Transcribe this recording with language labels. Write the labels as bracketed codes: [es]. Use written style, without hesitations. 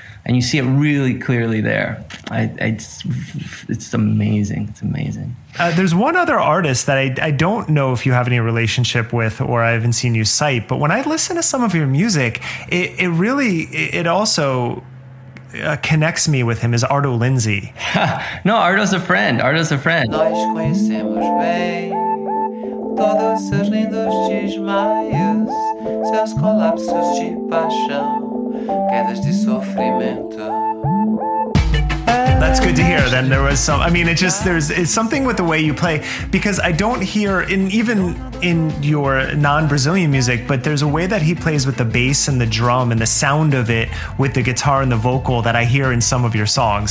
[en] And you see it really clearly there. It's amazing. It's amazing. There's one other artist that I don't know if you have any relationship with, or I haven't seen you cite. But when I listen to some of your music, it really also... connects me with him is Ardo Lindsay. No, Ardo's a friend. Ardo's a friend. [pt] Nós conhecemos bem todos seus lindos desmaios, seus colapsos de paixão, quedas de sofrimento. [en] That's good to hear. Then there was some, I mean, it just, it's something with the way you play, because I don't hear even in your non-Brazilian music, but there's a way that he plays with the bass and the drum and the sound of it with the guitar and the vocal that I hear in some of your songs.